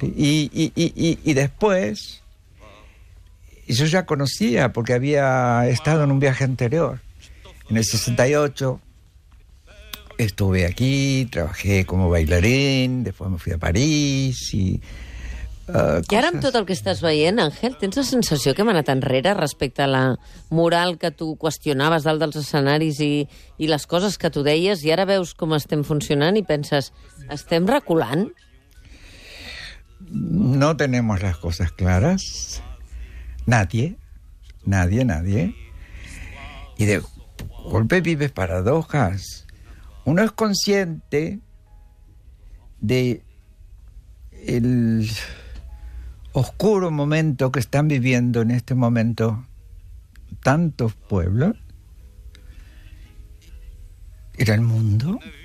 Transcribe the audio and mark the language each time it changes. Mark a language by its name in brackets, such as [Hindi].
[Spanish] Y después, yo ya conocía, porque había estado en un viaje anterior. En el 68 estuve aquí, trabajé como bailarín, después me fui a París y... [Catalan] I ara amb tot el que estàs veient, Àngel, tens la sensació que hem anat enrere respecte a la moral que tu qüestionaves dalt dels escenaris i les coses que tu deies, i ara veus com estem funcionant i penses, estem reculant? [Spanish] No tenemos las cosas claras. Nadie. Nadie, nadie. Y de golpe vives paradojas. Uno es consciente de el oscuro momento que están viviendo en este momento tantos pueblos en el mundo.